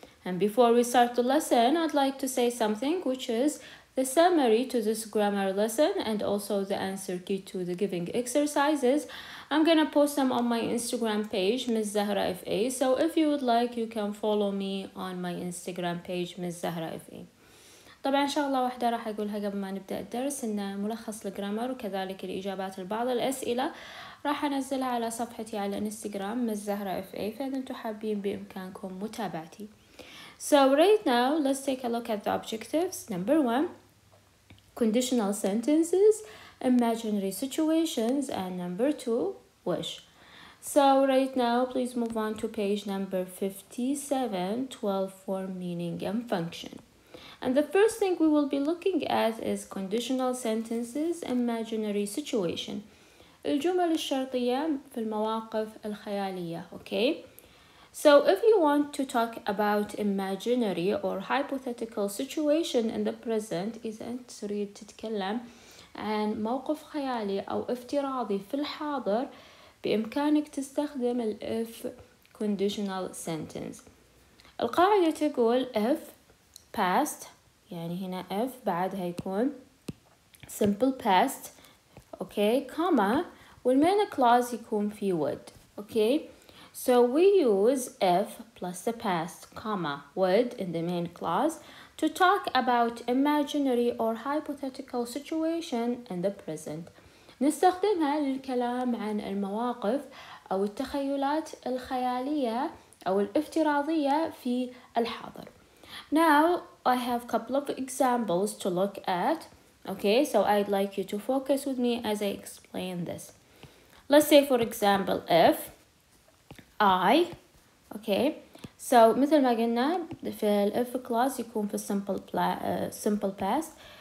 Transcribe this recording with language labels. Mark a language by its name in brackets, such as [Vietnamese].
[English] And before we start the lesson, I'd like to say something, which is the summary to this grammar lesson and also the answer key to the giving exercises. I'm gonna post them on my Instagram page, Ms. Zahra FA. So if you would like, you can follow me on my Instagram page, Ms. Zahra FA. [Arabic] طبعا ان شاء الله واحدة راح اقولها قبل ما نبدا الدرس ان ملخص الجرامر وكذلك الاجابات لبعض الاسئله راح انزلها على صفحتي على انستغرام مز زهرة FA فاذا انتم حابين بامكانكم متابعتي. [English] So right now let's take a look at the objectives. Number one, conditional sentences, imaginary situations, and number two, wish. So right now please move on to page number 57, 12 for meaning and function. And the first thing we will be looking at is conditional sentences, imaginary situation. [Arabic] الجمل الشرطية في المواقف الخيالية, okay? [English] So if you want to talk about imaginary or hypothetical situation in the present, [Arabic] إذا أنت تريد تتكلم عن موقف خيالي أو افتراضي في الحاضر, بإمكانك تستخدم الـ [English] if conditional sentence. [Arabic] القاعدة تقول [English] if past, [Arabic] يعني هنا if بعدها يكون simple past, okay, comma, والمين كلاز يكون في would, okay. [English] So we use if plus the past, comma, would in the main clause to talk about imaginary or hypothetical situation in the present. [Arabic] نستخدمها للكلام عن المواقف أو التخيلات الخيالية أو الافتراضية في الحاضر. [English] Now, I have a couple of examples to look at. Okay, so I'd like you to focus with me as I explain this. Let's say, for example, if I, okay, so [Arabic] مثل ما قلنا في الـ [English] if clause يكون في simple, simple past.